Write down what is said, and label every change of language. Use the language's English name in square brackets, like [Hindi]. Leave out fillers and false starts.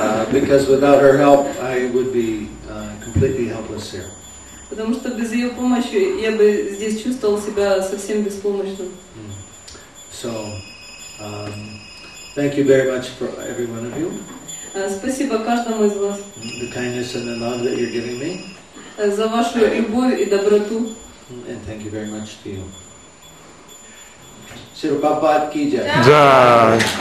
[English] Because without her help, I would be completely helpless here. [Russian] Потому что без ее помощи я бы здесь чувствовал себя совсем беспомощным. [English] So, thank you very much for every one of you. [Russian] Спасибо каждому из вас. [English] The kindness and the love that you're giving me. [Russian] За вашу любовь и доброту. [English] And thank you very much to you. [Hindi] Shri Prabhupada ki jai. Jai.